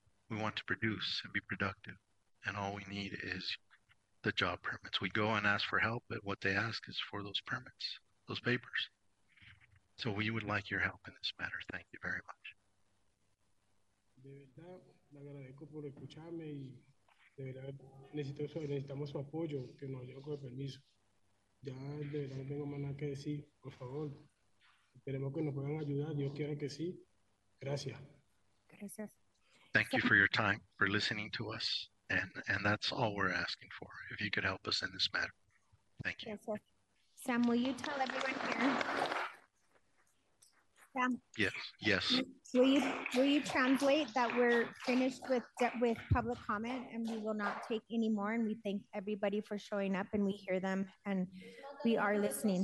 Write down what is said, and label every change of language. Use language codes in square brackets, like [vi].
[en] We want to produce and be productive. And all we need is the job permits. We go and ask for help, but what they ask is for those permits, those papers. So we would like your help in this matter. Thank you very much. [es] De verdad, le agradezco por escucharme y de verdad necesitamos su apoyo, que nos ayude con el permiso. Ya de verdad no tengo más nada que decir, por favor. Esperemos que nos puedan ayudar, Dios quiera que sí. Gracias. Gracias. [en] Thank you for your time, for listening to us. And that's all we're asking for, if you could help us in this matter. Thank you. Yes, sir. Sam, will you tell everyone here? Sam? Yes. Will you translate that we're finished with public comment and we will not take any more, and we thank everybody for showing up and we hear them and we are listening.